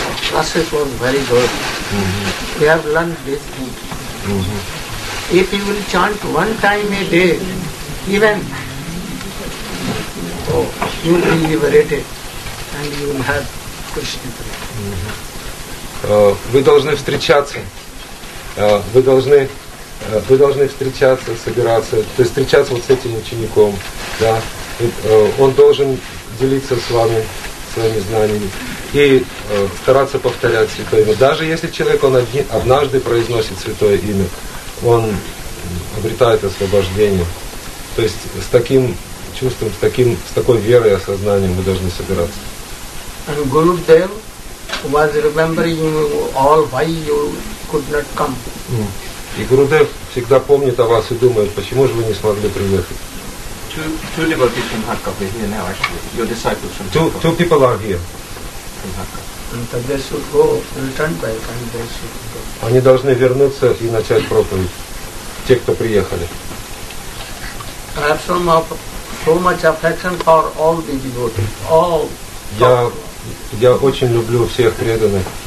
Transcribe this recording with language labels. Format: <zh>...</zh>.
<en>Classes was very good. We have learned this thing. If he will chant one time a day, even you will be liberated and you will have Krishna prayer.</en> <ru>Вы должны встречаться. Вы должны встречаться, собираться, то есть встречаться вот с этим учеником, да. И, он должен делиться с вами своими знаниями и стараться повторять святое имя. Даже если человек однажды произносит святое имя, он обретает освобождение. То есть с таким чувством, с такой верой и осознанием вы должны собираться.</ru> <en>Was remembering you all why you could not come.</en> <ru>И Гурудев всегда помнит о вас и думает, почему же вы не смогли приехать.</ru> <en>Two devotees from Kharkov here now, actually. Your disciples from Kharkov. Two people are here. And they should go and turn back and they should go.</en> <ru>Они должны вернуться и начать проповедь. Те, кто приехали.</ru> <en>I have so much affection for all the devotees. All.</en> <ru>Я очень люблю всех преданных.</ru>